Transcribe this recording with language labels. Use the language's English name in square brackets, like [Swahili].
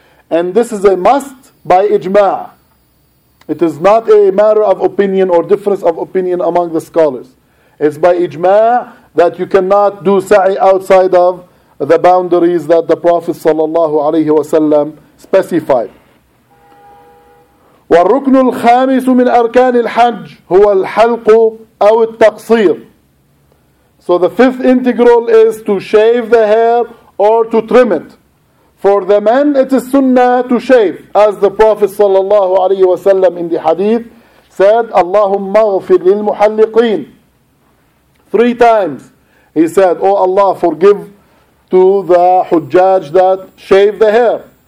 [English] And this is a must by ijma'. It is not a matter of opinion or difference of opinion among the scholars. It's by ijma' that you cannot do sa'i outside of the boundaries that the Prophet sallallahu alaihi wasallam specified. [Arabic] والركن الخامس من أركان الحج هو الحلق أو التقصير. [English] So the fifth integral is to shave the hair or to trim it. For the men, it is sunnah to shave, as the Prophet sallallahu alaihi wasallam in the hadith said, [Arabic] "Allahumma ghafir lil muhalliqin." [English] Three times he said, "Oh Allah, forgive to the hujjaj that shave the hair."